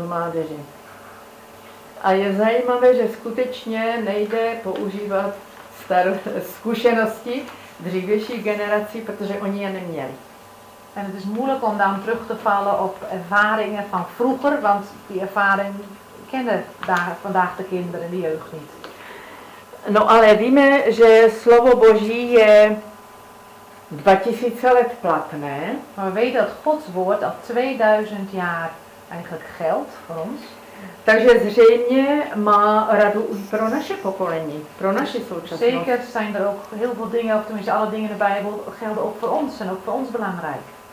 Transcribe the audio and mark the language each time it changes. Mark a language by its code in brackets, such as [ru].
[cs] do mládeže. A je zajímavé, že skutečně nejde používat zkušenosti dřívějších generací, protože oni je neměli. [nl] En het is moeilijk om dan terug te vallen op ervaringen van vroeger, want die ervaring kennen vandaag de kinderen en de jeugd niet. [cs] No ale víme, že slovo Boží je 2000 let platné. [nl] Maar we weten dat Gods woord al 2000 jaar eigenlijk geldt voor ons. [cs] Takže zřejmě má radu pro naše pokolení, pro naše současnost. [nl] Zeker zijn er ook heel veel dingen, of tenminste alle dingen in de Bijbel gelden ook voor ons en ook voor ons belangrijk.